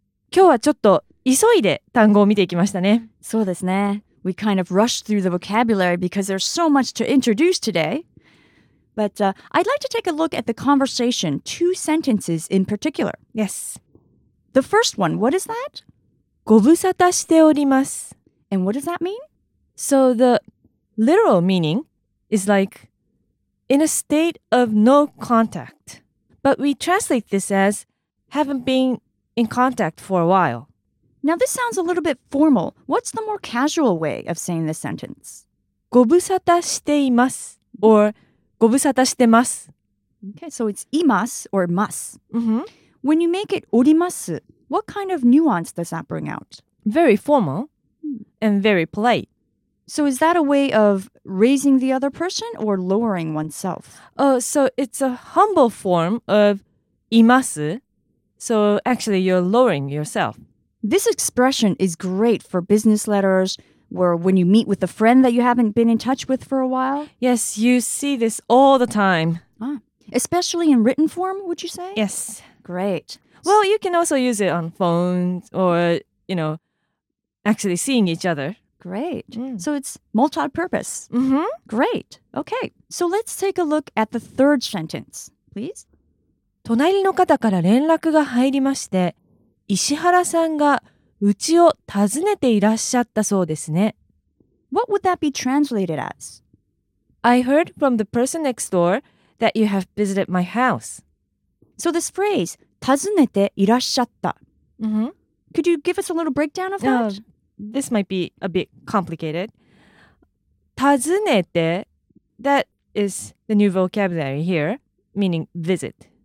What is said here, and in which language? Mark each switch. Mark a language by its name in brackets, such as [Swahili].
[Japanese] 今日はちょっと急いで単語を見ていきましたねそうですね [English] We kind of rushed through the vocabulary because there's so much to introduce today But I'd like to take a look at the conversation two sentences in particular Yes The first one, what is that? [Japanese] ご無沙汰しております [English] And what does that mean? So the literal meaning is like in a state of no contactBut we translate this as haven't been in contact for a while. Now this sounds a little bit formal. What's the more casual way of saying this sentence? [Japanese] ご無沙汰しています or ご無沙汰してます. [English] Okay, so it's [Japanese] います [English] or [Japanese] ます. [English] Mm-hmm. When you make it [Japanese] おります, [English] what kind of nuance does that bring out? Very formal and very polite. So is that a way of raising the other person or lowering oneself? Oh, so it's a humble form of [Japanese] います. [English] So actually you're lowering yourself. This expression is great for business letters or when you meet with a friend that you haven't been in touch with for a while. Yes, you see this all the time. Ah, especially in written form, would you say? Yes. Great. Well, you can also use it on phones or, you know, actually seeing each other. Great. So it's multi-purpose. Mm-hmm. Great. Okay. So let's take a look at the third sentence, please. [Japanese] 隣の方から連絡が入りまして、石原さんがうちを訪ねていらっしゃったそうですね。 [English] What would that be translated as? I heard from the person next door that you have visited my house. So this phrase, [Japanese] 訪ねて いらっしゃった. [English] Mm-hmm. Could you give us a little breakdown of that? This might be a bit complicated. [Japanese] 訪ねて, [English] that is the new vocabulary here, meaning visit.